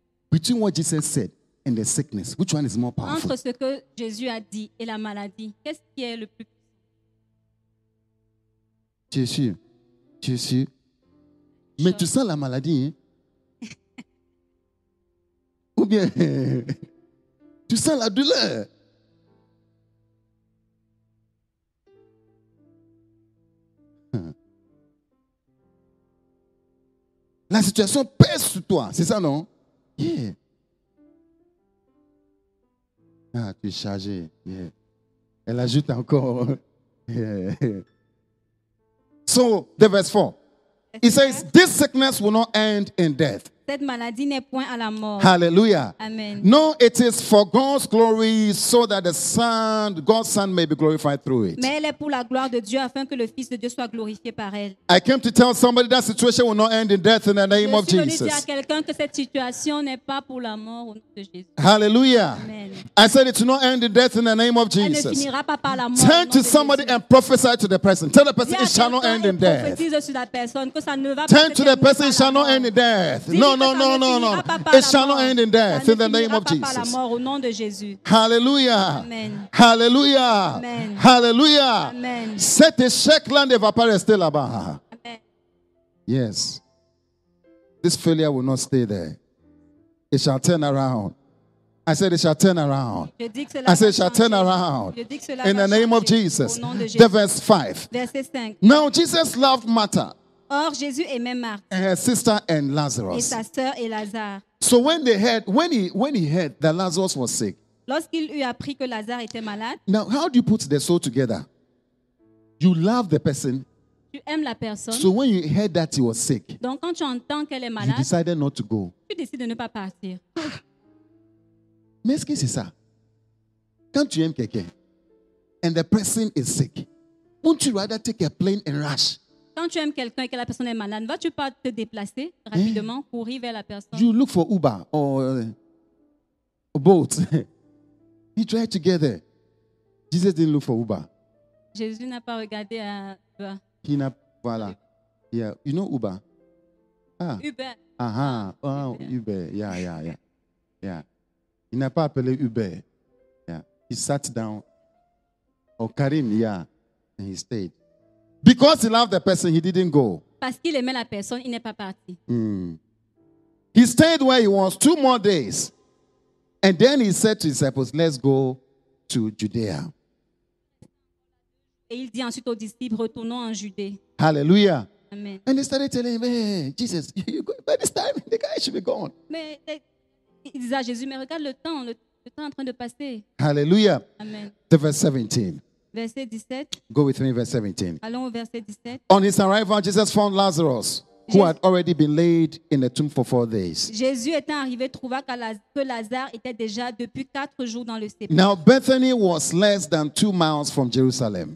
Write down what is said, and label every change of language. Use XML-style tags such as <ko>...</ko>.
<en>Between what Jesus said and the sickness, which one is more powerful?</en> <fr>Entre ce que Jésus a dit et la maladie, qu'est-ce qui est le plus puissant? Jésus. Mais tu sens la maladie, hein? Ou bien, tu sens la douleur. La situation pèse sur toi, c'est ça, non? Yeah. Ah, tu es chargé. Yeah. Elle ajoute encore. Yeah.</fr> <en>So, the verse 4. It says, this sickness will not end in death.</en> <fr>Cette maladie n'est point à la mort.</fr> <en>Hallelujah. Amen. No, it is for God's glory, so that the Son, God's Son, may be glorified through it.</en> <fr>Mais elle est pour la gloire de Dieu, afin que le Fils de Dieu soit glorifié par elle.</fr> <en>I came to tell somebody that situation will not end in death in the name of Jesus.</en> <fr>Je suis venu dire à quelqu'un que cette situation n'est pas pour la mort au nom de Jésus.</fr> <en>Hallelujah. Amen. I said it will not end in death in the name of Jesus.</en> <fr>Elle ne finira pas par la mort.</fr> <en>Turn to somebody and prophesy to the person. Tell the person it shall not end in death.</en> <fr>Prophétise sur la personne que ça ne va pas.</fr> <en>Turn to the person it shall not end in death. No. It shall not end in death in the name of Jesus. Hallelujah. Amen. Hallelujah. Amen. Hallelujah. Amen.</en> <fr>Cet échec là ne va pas rester là-bas.</fr> <en>Amen. Yes. This failure will not stay there. It shall turn around. I said it shall turn around. I said it shall turn around. In the name of Jesus. The verse 5. Now Jesus loved Martha.</en> <fr>Or, Jésus aimait Marthe.</fr> <en>And her sister and Lazarus.</en> <fr>Et sa sœur et Lazare.</fr> <en>So when he heard that Lazarus was sick.</en> <fr>Lorsqu'il eut appris que Lazare était malade.</fr> <en>Now, how do you put the soul together? You love the person.</en> <fr>Tu aimes la personne.</fr> <en>So when you heard that he was sick.</en> <fr>Donc quand tu entends qu'elle est malade.</fr> <en>You decided not to go.</en> <fr>Tu décides de ne pas partir. Mais est-ce que c'est ça? Quand tu aimes quelqu'un.</fr> <en>And the person is sick. Wouldn't you rather take a plane and rush?</en> <fr>Quand tu aimes quelqu'un et que la personne est malade, vas-tu pas te déplacer rapidement, yeah, courir vers la personne?</fr> <en>You look for Uber or a boat. You try to get there. Jesus didn't look for Uber.</en> <fr>Jésus n'a pas regardé à Uber.</fr> <en>He</en> <fr>n'a voilà.</fr> <en>Yeah, you know Uber. Ah. Uber. Aha. Uh-huh. Oh, Uber. Yeah.</en> <fr>Il n'a pas appelé Uber.</fr> <en>Yeah. He sat down. Oh, Karim, yeah. And he stayed. Because he loved the person, he didn't go.</en> <fr>Parce qu'il aimait la personne, il n'est pas parti. Mm.</fr> <en>He stayed where he was 2 more days. And then he said to his disciples, let's go to Judea.</en> <fr>Et il dit ensuite aux disciples, retournons en Judée.</fr> <en>Hallelujah. Amen. And they started telling him, hey, Jesus, you go. By this time, the guy should be gone.</en> <fr>Mais il disait à Jésus, mais regarde le temps en train de passer.</fr> <en>Hallelujah. Amen. The verse 17.</en> <fr>Verset 17.</fr> <en>Go with me, verse 17.</en> <fr>Allons au verset 17.</fr> <en>On his arrival, Jesus found Lazarus, who had already been laid in the tomb for 4 days.</en> <fr>Jésus étant arrivé, trouva que Lazare était déjà depuis 4 jours dans le sépulcre.</fr> <en>Now Bethany was less than 2 miles from Jerusalem.</en>